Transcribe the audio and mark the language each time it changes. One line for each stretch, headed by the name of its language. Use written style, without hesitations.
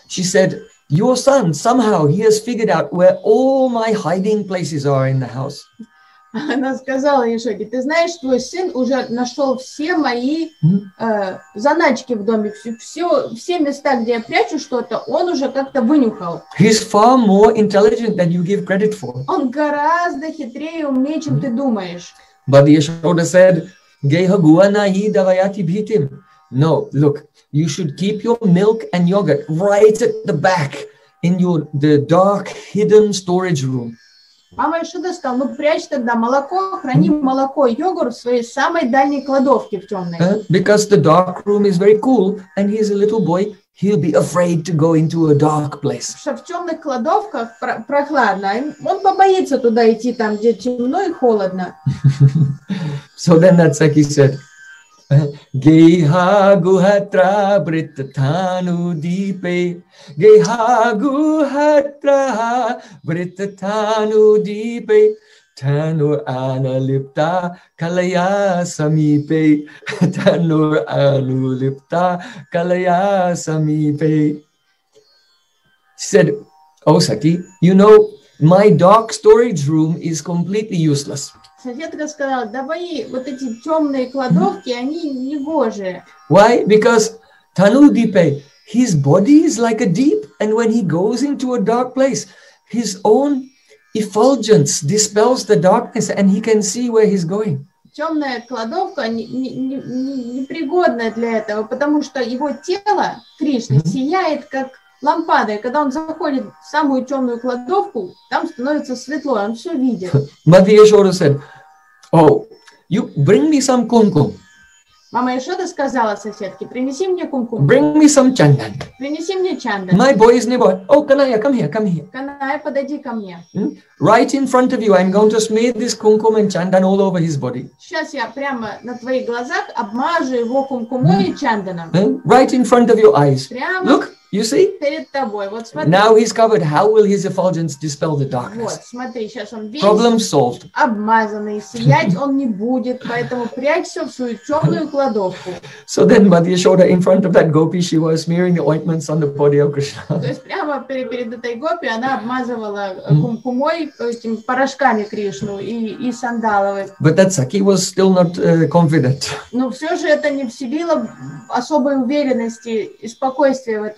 English: She said, your son, somehow, he has figured out where all my hiding places are in the house.
Russian: Она сказала Яшоде, ты знаешь, твой сын уже нашел все мои заначки в доме, все места, где я прячу что-то, он уже как-то вынюхал.
English: He's far more intelligent than you give credit for.
Russian: Он гораздо хитрее и умнее, чем ты думаешь.
English: But Яшода said,
Sanskrit: Geha guana hi davayati bhitim.
English: No, look, you should keep your milk and yogurt right at the back in the dark hidden storage room.
Russian: Мама еще достал, ну прячь тогда молоко, храни молоко и йогурт в своей самой дальней кладовке в темной.
English: Because the dark room is very cool, and he's a little boy, he'll be afraid to go into a dark place.
Russian: Что в темных кладовках прохладно, он побоится туда идти, там где темно и холодно.
English: So then that's like he said,
Sanskrit: Geha guhatra brittanu dipe, Geha guhatra brittanu dipe, Tanur analipta kalaya samipe, Tanur analipta kalaya samipe.
English: She said, oh Saki, you know, my dark storage room is completely useless.
Russian: Соседка сказала, давай вот эти темные кладовки, они негожие.
English: Why? Because Tanudipe, his body is like a deep, and when he goes into a dark place, his own effulgence dispels the darkness, and he can see where he's going.
Russian: Темная кладовка непригодная для этого, потому что его тело, Кришна, сияет как лампада, и когда он заходит в самую темную кладовку, там становится светло, он все видит.
English: Мать Яшоды said, oh, you bring me some кумкум.
Russian: Мама Яшода сказала соседке, принеси мне кумкум.
English: Bring me some чандан.
Russian: Принеси мне чандан.
English: My boy is nearby. Oh, Каная, come here, come here.
Russian: Каная, подойди ко мне.
English: Right in front of you, I'm going to smear this кумкум and чандан all over his body.
Russian: Сейчас я прямо на твоих глазах обмажу его кумкумом и чанданом.
English: Right in front of your eyes.
Russian: Прямо.
English: Look. You see?
Russian: Перед тобой. Вот смотри.
English: Now he's covered. How will his effulgence dispel the darkness?
Russian: Вот, смотри, сейчас он весь.
English: Problem solved.
Russian: Обмазанный, сиять он не будет, поэтому прячься в свою темную кладовку.
English: So then Mother Yashoda, in front of that gopi, she was smearing the ointments on the body of Krishna.
Russian: То есть прямо перед этой гопи она обмазывала кумкумой, этим порошками Кришну и сандаловой.
English: But that Saki was still not confident.
Russian: Но все же это не вселило особой уверенности и спокойствия в этом.